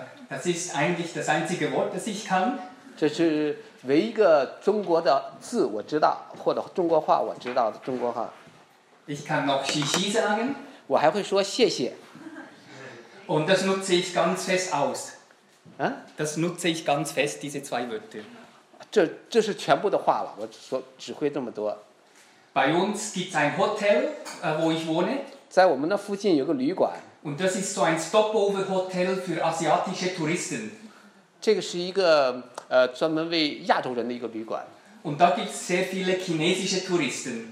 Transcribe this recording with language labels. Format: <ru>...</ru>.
<de>Das ist eigentlich das einzige Wort, das ich kann.</de> <zh>这是唯一个中国的字我知道，或者中国话我知道的中国话。</zh> <de>Ich kann noch Xixi sagen.</de> <zh>我还会说谢谢。</zh> <de>Und das nutze ich ganz fest aus. 啊？ Das nutze ich ganz fest, diese zwei Wörter.</de> <zh>这是全部的话了，我说只会这么多。</zh> <de>Bei uns gibt es ein Hotel, wo ich wohne.</de> <zh>在我们的附近有个旅馆。</zh> <de>Und das ist so ein stopover Hotel für asiatische Touristen.</de> <zh>这个是一个专门为亚洲人的一个旅馆。</zh> <de>Und da gibt es sehr viele chinesische Touristen.</de>